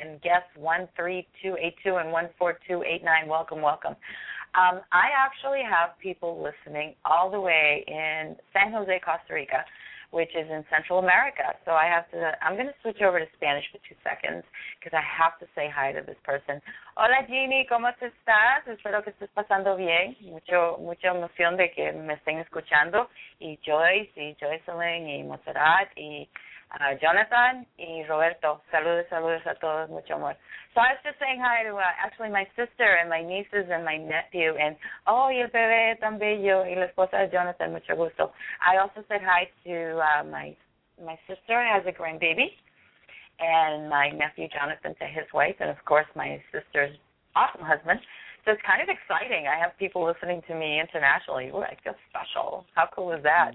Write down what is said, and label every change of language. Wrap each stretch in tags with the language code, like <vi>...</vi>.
<en>And guests 13282 and 14289, welcome. I actually have people listening all the way in San Jose, Costa Rica, which is in Central America. So I'm going to switch over to Spanish for 2 seconds because I have to say hi to this person.</en> <es>Hola, Jeannie, ¿cómo estás? Espero que estés pasando bien. Mucha emoción de que me estén escuchando. Y Joyce, y Joycelyn, y Montserrat, y Jonathan, y Roberto. Saludos a todos. Mucho amor.</es> <en>So I was just saying hi to actually my sister and my nieces and my nephew.</en> <es>And, oh, y el bebé tan bello. Y la esposa de Jonathan. Mucho gusto.</es> <en>I also said hi to my sister has a grandbaby. And my nephew, Jonathan, to his wife. And, of course, my sister's awesome husband. So it's kind of exciting. I have people listening to me internationally. Ooh, I feel special. How cool is that?</en>